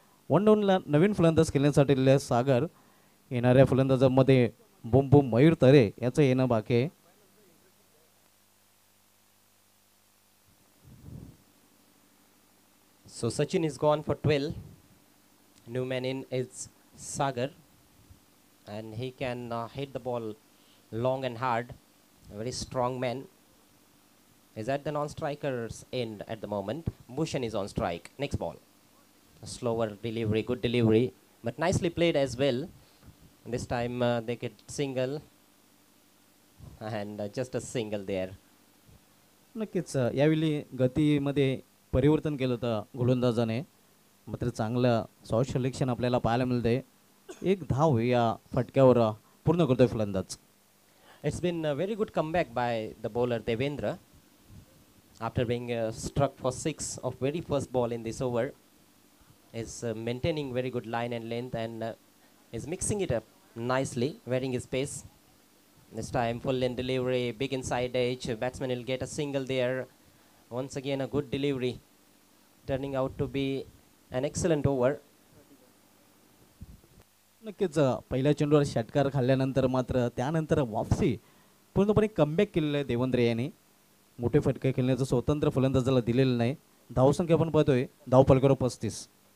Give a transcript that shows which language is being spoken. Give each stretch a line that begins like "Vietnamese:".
Marathi: One डाऊनला नवीन फलंदाज खेळण्यासाठी दिलेला आहे सागर. येणाऱ्या फलंदाजामध्ये बुम बुम मयूर तरे याचं येणं बाकी आहे.
English: So Sachin is gone for 12, new man in is Sagar. And he can hit the ball long and hard. A very strong man. Is at the non-striker's end at the moment. Bhushan is on strike. Next ball. A slower delivery, good delivery. But nicely played as well. This time they get single. And just a single there.
Marathi: Nakkeech, yavili gati madhe parivartan kelata golandajane. Matra changla shot selection aplyala pahayla milte. एक धाव या फटक्यावर पूर्ण करतोय फलंदाज.
English: It's been a very good comeback by the bowler Devendra after being struck for 6 off very first ball in this over. Is maintaining very good line and length and is mixing it up nicely varying his pace. This time full length delivery, big inside edge. Batsman will get a single there. Once again a good delivery turning out to be an excellent over.
Marathi: नक्कीच पहिल्या चेंडूवर षटकार खाल्ल्यानंतर मात्र त्यानंतर वापसी पूर्णपणे comeback केलेलं आहे देवेंद्र याने. मोठे फटके खेळण्याचं स्वतंत्र फलंदाजाला दिलेलं नाही. धावसंख्या आपण पाहतोय धावपळकर 35.